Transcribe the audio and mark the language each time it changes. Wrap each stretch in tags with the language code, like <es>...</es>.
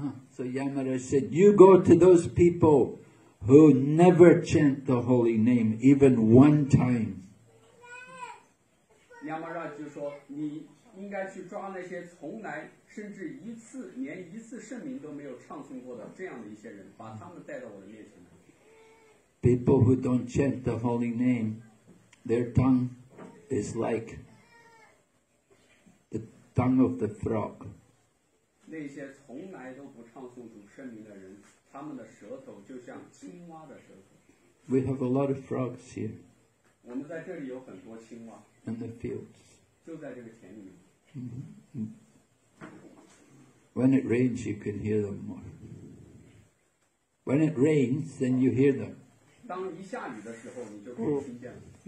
<en>So Yamaraj said, you go to those people who never chant the holy name even one time.</en> <zh>Yamaraj 就说你应该去抓那些从来甚至一次连一次圣名都没有唱诵过的这样的一些人，把他们带到我的面前来。</zh> <en>People who don't chant the holy name, their tongue is like the tongue of the frog.</en> <zh>那些从来都不唱诵主圣名的人，他们的舌头就像青蛙的舌头。</zh> <en>We have a lot of frogs here.</en> <zh>我们在这里有很多青蛙。</zh> <en>In the fields.</en> <zh>就在这个田里面。 Mm-hmm.</zh> <en>When it rains, you can hear them more. When it rains, then you hear them.</en> <zh>当一下雨的时候，你就可以听见了。</zh>